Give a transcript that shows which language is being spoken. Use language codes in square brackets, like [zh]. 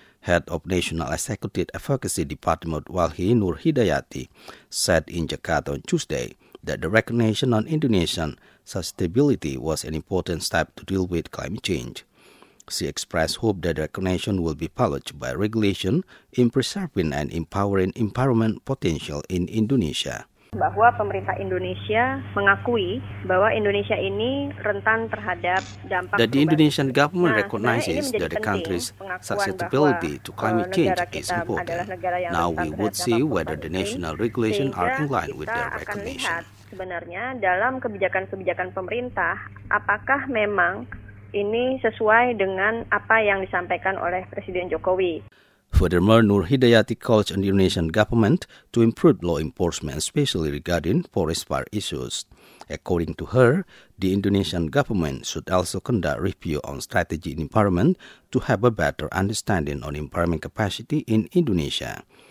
[en] Head of National Executive Advocacy Department WALHI, Nur Hidayati, said in Jakarta on Tuesday that the recognition on Indonesian sustainability was an important step to deal with climate change. She expressed hope that the recognition will be followed by regulation in preserving and empowering empowerment potential in Indonesia. [id] Bahwa pemerintah Indonesia mengakui bahwa Indonesia ini rentan terhadap dampak. [en] That the Indonesian government recognizes that the country's susceptibility to climate change is important. Now we would see whether the national regulations are in line with their recognition. [id] Sebenarnya dalam kebijakan-kebijakan pemerintah, apakah memang ini sesuai dengan apa yang disampaikan oleh Presiden Jokowi? [en] Furthermore, Nur Hidayati calls on the Indonesian government to improve law enforcement, especially regarding forest fire issues. According to her, the Indonesian government should also conduct review on strategy in empowerment to have a better understanding on empowerment capacity in Indonesia.